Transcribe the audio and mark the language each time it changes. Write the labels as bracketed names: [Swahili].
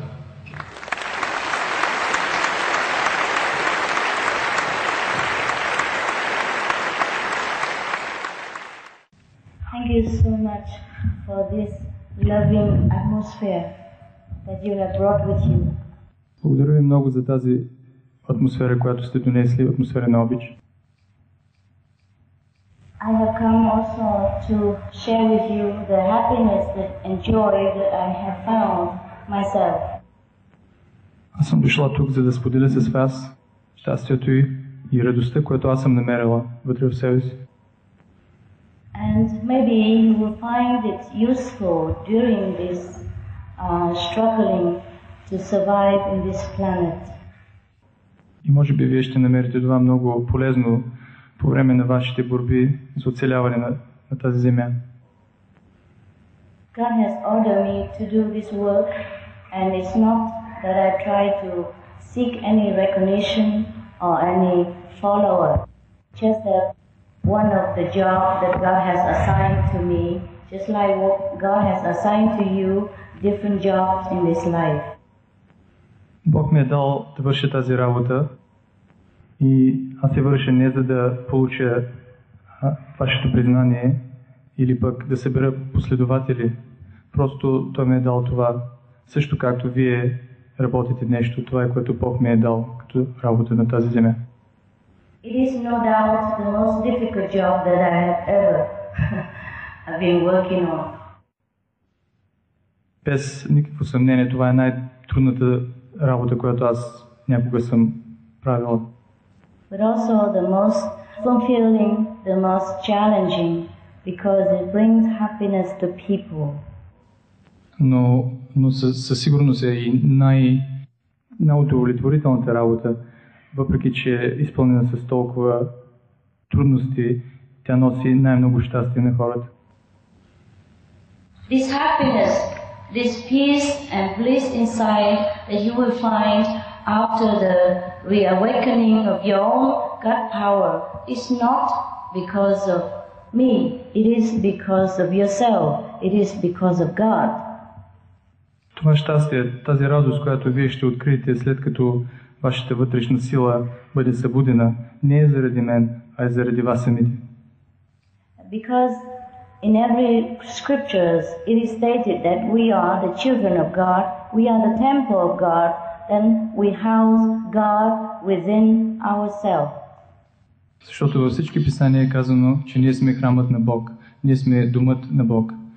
[English] Thank you so much for this loving atmosphere that you have brought with you. [Bulgarian] Благодаря ви много за тази атмосфера, която сте донесли, атмосфера на обич. [English] I have come also to share with you the happiness and joy that I have found myself. [Bulgarian] Аз съм дошла тук, за да споделя с вас щастието и радостта, което аз съм намерила вътре в себе си. [English] And maybe you will find it useful during this struggling to survive in this planet. [Bulgarian] И може би вие ще намерите това много полезно по време на вашите борби за оцеляване на тази земя. [English] God has ordered me to do this work, and it's not that I try to seek any recognition or any follower. Just that one of the job that God has assigned to me, just like what God has assigned to you different jobs in this life. [Bulgarian] Бог ми е дал да върша тази работа. И аз се върша не за да получа вашето признание или пък да събера последователи. Просто той ми е дал това, също както вие работите нещо, това е което Бог ми е дал като работа на тази земя. [English] It is no doubt the most difficult job that I have ever been working on. [Bulgarian] Без никакво съмнение, това е най-трудната работа, която аз някога съм правила. [English] But also the most fulfilling, the most challenging, because it brings happiness to people. [Bulgarian] Но със сигурност е и най-удовлетворителната работа, въпреки че е изпълнена с толкова трудности, тя носи най-много щастие на хората. [English] This happiness, this peace and bliss inside that you will find after the reawakening of your own God power is not because of me, it is because of yourself, it is because of God. [Bulgarian] Това щастие, тази радост, която вие ще откриете след като вашата вътрешна сила бъде събудена, не е заради мен, а е заради вас самите. [English] Because in every scriptures it is stated that we are the children of God, we are the temple of God, then we house God within ourselves. [Bulgarian] Защото във всички писания е казано, че ние сме храмът на Бог, ние сме домът на Бог.